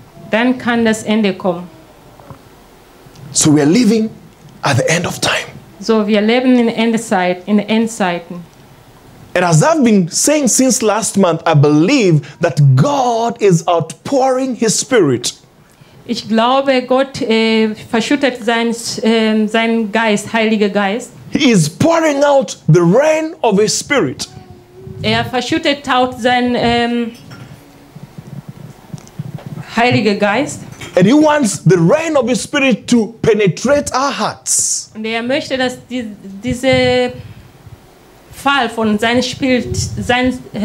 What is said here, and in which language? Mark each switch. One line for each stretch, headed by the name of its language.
German: Dann kann das Ende kommen.
English: So we are living at the end of time.
German: So wir leben in Endzeit, in Endzeiten.
English: And as I've been saying since last month, I believe that God is outpouring His Spirit.
German: Ich glaube, Gott verschüttet seinen Geist, Heiliger Geist.
English: He is pouring out the rain of His Spirit.
German: Verschüttet auch seinen Heiliger Geist.
English: And He wants the rain of His Spirit to penetrate our hearts.
German: Und möchte, dass diese Fall von seinem Spirit, sein.